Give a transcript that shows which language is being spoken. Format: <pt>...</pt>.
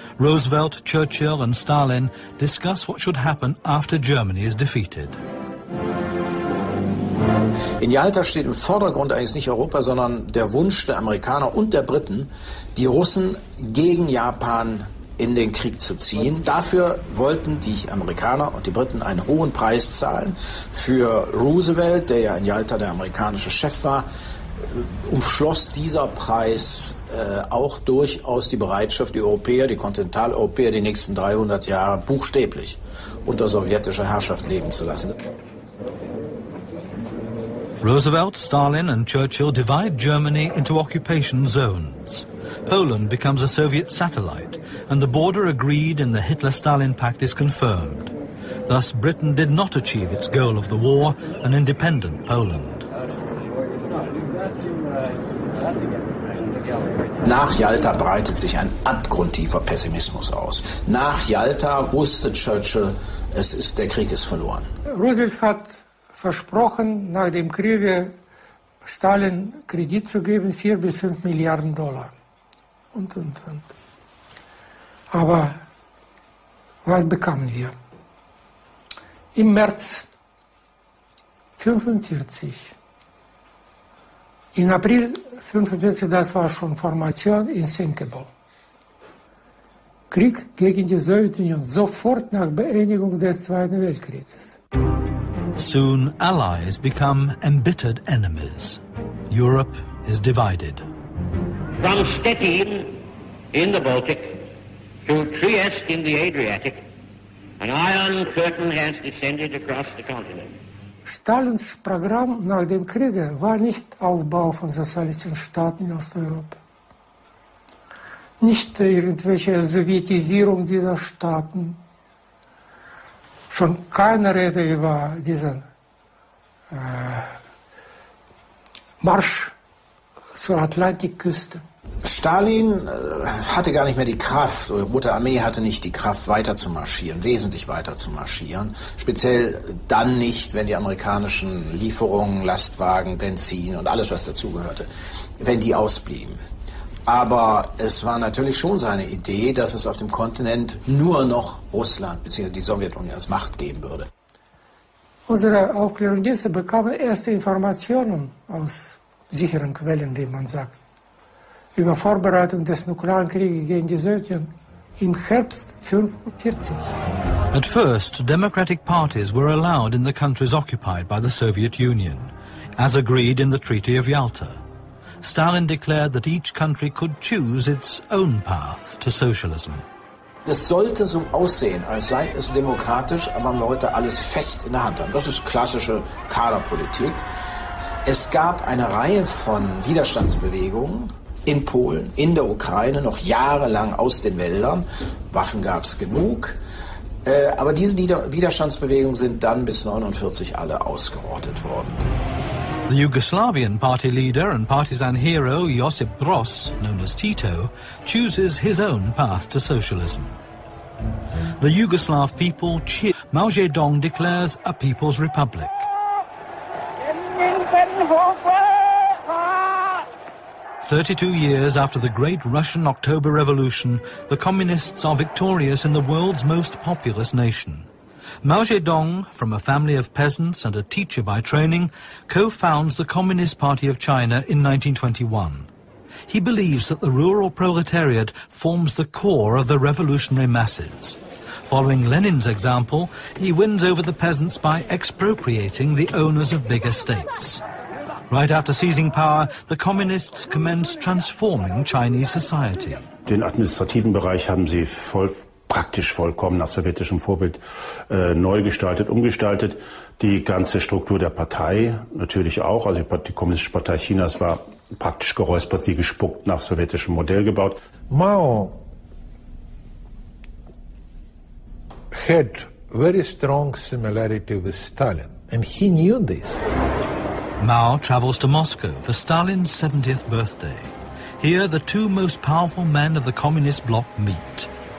<en>Roosevelt, Churchill and Stalin discuss what should happen after Germany is defeated.</en> <de>In Yalta steht im Vordergrund eigentlich nicht Europa, sondern der Wunsch der Amerikaner und der Briten, die Russen gegen Japan in den Krieg zu ziehen. Dafür wollten die Amerikaner und die Briten einen hohen Preis zahlen. Für Roosevelt, der ja in Yalta der amerikanische Chef war, umschloss dieser Preis auch durchaus die Bereitschaft, die Europäer, die Kontinentaleuropäer, die nächsten 300 Jahre buchstäblich unter sowjetischer Herrschaft leben zu lassen.</de> <en>Roosevelt, Stalin and Churchill divide Germany into occupation zones. Poland becomes a Soviet satellite and the border agreed in the Hitler-Stalin Pact is confirmed. Thus, Britain did not achieve its goal of the war, an independent Poland.</en> <de>Nach Yalta breitet sich ein abgrundtiefer Pessimismus aus. Nach Yalta wusste Churchill, es ist, der Krieg ist verloren. Roosevelt hat versprochen, nach dem Kriege Stalin Kredit zu geben, 4 bis 5 Milliarden Dollar. Und. Aber was bekamen wir? Im März 1945, in April 1945, das war schon Formation in Sinkebo. Krieg gegen die Sowjetunion, sofort nach Beendigung des Zweiten Weltkrieges.</de> <en>Soon, allies become embittered enemies. Europe is divided. From Stettin in the Baltic to Trieste in the Adriatic, an iron curtain has descended across the continent.</en> <de>Stalins Programm nach dem Kriege war nicht Aufbau von sozialistischen Staaten in Osteuropa. Nicht irgendwelche Sowjetisierung dieser Staaten. Schon keine Rede über diesen Marsch zur Atlantikküste. Stalin hatte gar nicht mehr die Kraft, oder Rote Armee hatte nicht die Kraft, weiter zu marschieren, wesentlich weiter zu marschieren. Speziell dann nicht, wenn die amerikanischen Lieferungen, Lastwagen, Benzin und alles, was dazugehörte, wenn die ausblieben. Aber es war natürlich schon seine Idee, dass es auf dem Kontinent nur noch Russland bzw. die Sowjetunion als Macht geben würde. Unsere Aufklärungsdienste bekamen erste Informationen aus sicheren Quellen, wie man sagt, über Vorbereitung des nuklearen Krieges gegen die Sowjetunion im Herbst 1945.</de> <en>At first, democratic parties were allowed in the countries occupied by the Soviet Union, as agreed in the Treaty of Yalta. Stalin declared that each country could choose its own path to socialism.</en> <de>Es sollte so aussehen, als sei es demokratisch, aber man wollte alles fest in der Hand haben. Das ist klassische Kaderpolitik. Es gab eine Reihe von Widerstandsbewegungen in Polen, in der Ukraine, noch jahrelang aus den Wäldern. Waffen gab es genug. Aber diese Widerstandsbewegungen sind dann bis 1949 alle ausgerottet worden.</de> <en>The Yugoslavian party leader and partisan hero Josip Broz, known as Tito, chooses his own path to socialism. The Yugoslav people cheer. Mao Zedong declares a people's republic. Thirty-two years after the great Russian October Revolution, the communists are victorious in the world's most populous nation. Mao Zedong, from a family of peasants and a teacher by training, co-founds the Communist Party of China in 1921. He believes that the rural proletariat forms the core of the revolutionary masses. Following Lenin's example, he wins over the peasants by expropriating the owners of big estates. Right after seizing power, the communists commence transforming Chinese society.</en> <de>Den administrativen Bereich haben sie praktisch vollkommen nach sowjetischem Vorbild neu gestaltet, umgestaltet. Die ganze Struktur der Partei natürlich auch. Also die Kommunistische Partei Chinas war praktisch geräuspert wie gespuckt nach sowjetischem Modell gebaut.</de> <en>Mao had very strong similarity with Stalin, and he knew this. Mao travels to Moscow for Stalin's 70th birthday. Here, the two most powerful men of the communist bloc meet.</en>